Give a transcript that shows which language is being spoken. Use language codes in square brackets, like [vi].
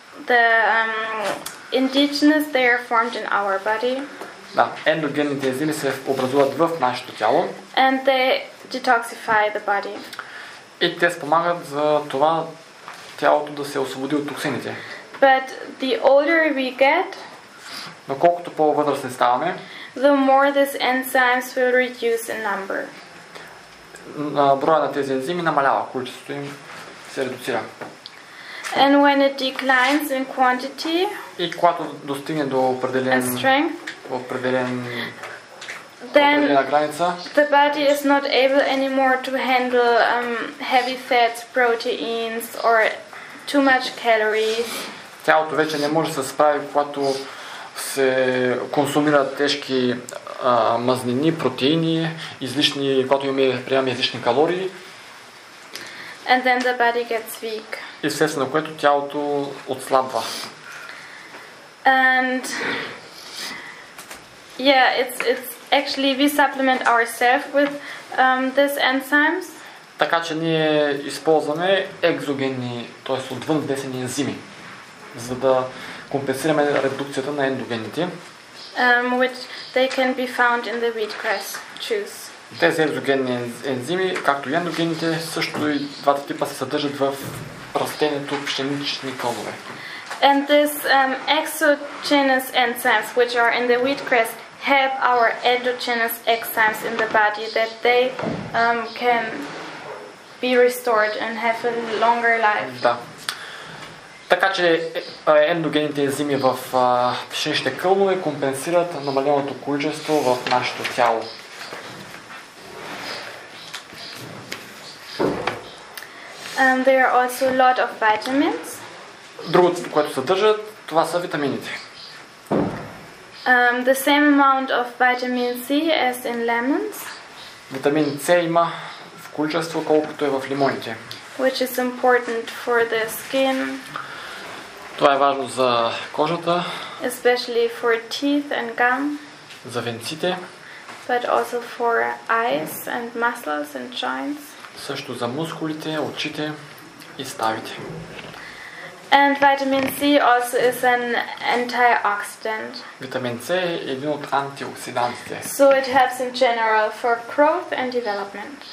[en] The indigenous they are formed in our body. [bg] Да, ендогенните ензими се образуват в нашето тяло. [en] And they detoxify the body. [bg] И те спомагат за това тялото да се освободи от токсините. [en] But the older we get, [bg] но колкото по-възрастни ставаме, [en] the more these enzymes will reduce in number. [bg] Броя на тези ензими намалява, количеството им се редуцира. [en] And when it declines in quantity, [bg] и когато достигне до определен [en] and strength, [bg] определена граница, [en] the body is not able anymore to handle heavy fats, proteins or too much calories. [bg] Тялото вече не може да се справи, когато се консумират тежки мазнини, протеини, излишни, когато имаме приемаме излишни калории. [en] And then the body gets weak. [bg] И естествено, което тялото отслабва. [en] And yeah, it's actually we supplement ourselves with these enzymes. [bg] Така че ние използваме екзогенни, т.е. отвън внесени ензими, за да компенсираме редукцията на ендогените. [en] Which they can be found in the wheatgrass juice. [bg] Тези екзогенни ензими, както и ендогените, също и двата типа се съдържат в растението пшенични кълнове. [en] And this exogenous enzymes which are in the wheatgrass help our endogenous enzymes in the body that they can be restored and have a longer life. [bg] Да. Така че ендогените ензими в пшеничните кълнове компенсират намаленото количество в нашето тяло. [en] There are also a lot of vitamins. [bg] Другото, което съдържат, това са витамините. [en] The same amount of vitamin C as in lemons. [bg] Витамин С има в количество, колкото е в лимоните. [en] Which is important for the skin. [bg] Това е важно за кожата. [en] Especially for teeth and gum. [bg] За венците. [en] but also for eyes and muscles and joints. [bg] Също за мускулите, очите и ставите. [en] And vitamin C also is an antioxidant. [bg] Витамин С е един от антиоксидантите. [en] So it helps in general for growth and development.